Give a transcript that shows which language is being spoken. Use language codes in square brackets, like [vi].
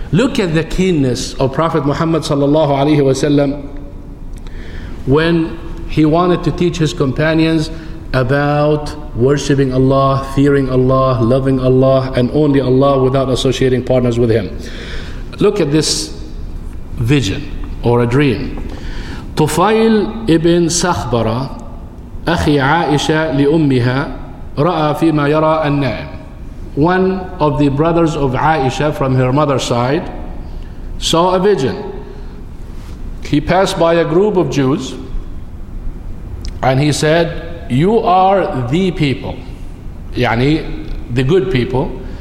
[en] Look at the keenness of Prophet Muhammad sallallahu alaihi wasallam when he wanted to teach his companions about worshiping Allah, fearing Allah, loving Allah, and only Allah without associating partners with Him. Look at this vision or a dream. [ar] Tufail ibn Sakhbara, أخي عائشة لأمها رأى فيما يرى النائم. [en] One of the brothers of Aisha from her mother's side saw a vision. He passed by a group of Jews and he said, you are the people. يعني the good people.